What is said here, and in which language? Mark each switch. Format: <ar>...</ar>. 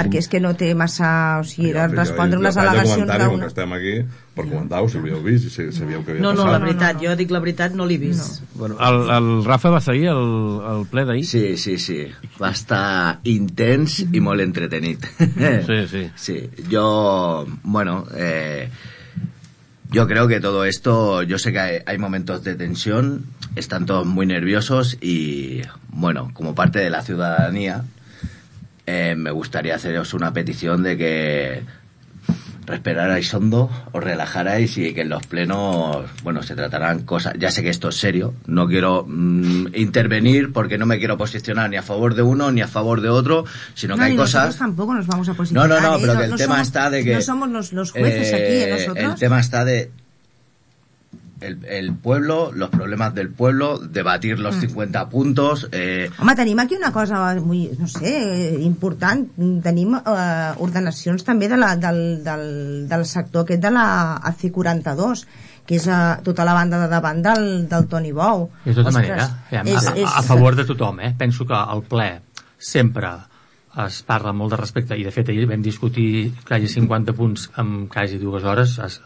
<ca>Perquè és que no té massa... O sigui, de respondre unes al·legacions d'una... Que estem aquí per comentar-ho, si l'havíeu vist i si sabíeu què havia passat. No, la veritat, jo dic la veritat, no l'he vist. Bueno, el Rafa va seguir el ple d'ahir? Sí. Va estar intens i molt entretenit. Sí. Jo...</ca> <es>Bueno, yo creo que todo esto, yo sé que hay momentos de tensión, están todos muy nerviosos y, bueno, como parte de la ciudadanía, me gustaría haceros una petición de que respirarais hondo, os relajarais y que en los plenos, bueno, se tratarán cosas. Ya sé que esto es serio, no quiero intervenir porque no me quiero posicionar ni a favor de uno ni a favor de otro, sino que hay cosas... No, tampoco nos vamos a posicionar. No, pero que el tema está de que... No somos los jueces aquí, nosotros. El tema está de... El pueblo, los problemas del pueblo, debatir los 50 puntos...</es> <ca>Home, tenim aquí una cosa muy, no sé, important. Tenim ordenacions també del sector aquest de la AC42, que és tota la banda de davant del Toni Bou. De tota manera, a favor de tothom, penso que el ple sempre es parla molt de respecte, i de fet ahir vam discutir quasi 50 punts en quasi dues hores,</ca>